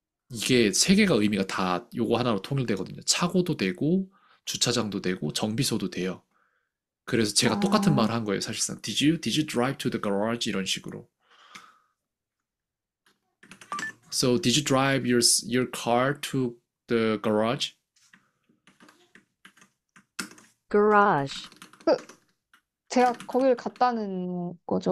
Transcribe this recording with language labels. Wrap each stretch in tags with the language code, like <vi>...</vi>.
<ko>이게 세 개가 의미가 다 요거 하나로 통일되거든요. 차고도 되고 주차장도 되고 정비소도 돼요. 그래서 제가 똑같은 말을 한 거예요, 사실상.</ko> <en>Did you drive to the garage?</en> <ko>이런 식으로.</ko> <en>So, did you drive your car to the garage? Garage.</en> <ko>제가 거기를 갔다는 거죠.</ko>